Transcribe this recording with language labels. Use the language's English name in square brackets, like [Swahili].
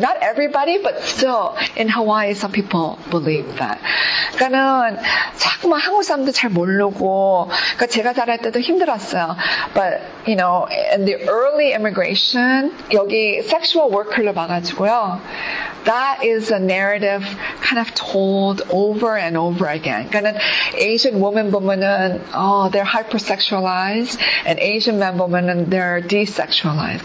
[English] Not everybody, but still in Hawaii, some people believe that. [Korean] 그러니까는 자꾸만 한국 사람도 잘 모르고 그러니까 제가 자랄 때도 힘들었어요. [English] But you know, in the early immigration, [Korean] 여기 sexual worker를 봐가지고 [English] Well, that is a narrative kind of told over and over again. [Korean] 그러니까 [English] Asian woman [Korean] 보면은 [English] oh, they're hypersexualized and Asian men 보면은 they're desexualized.